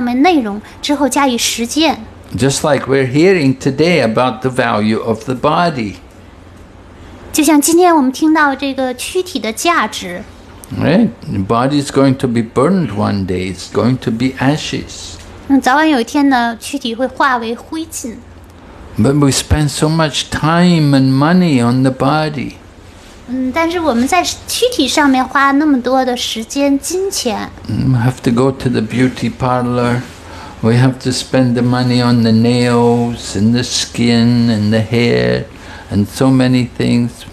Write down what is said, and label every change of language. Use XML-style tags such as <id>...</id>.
<zh>所以要阅读经典，知道经典上面内容，之后加以实践。</zh> <en>Just like we're hearing today about the value of the body.</en> <zh>就像今天我们听到这个躯体的价值。</zh> <en>Right, the body is going to be burned one day, it's going to be ashes.</en> <zh>早晚有一天呢，躯体会化为灰烬。</zh> <en>But we spend so much time and money on the body.</en> <zh>但是我们在躯体上面花那么多的时间、金钱。</zh> <en>We have to go to the beauty parlor, we have to spend the money on the nails, and the skin, and the hair, and so many things.</en>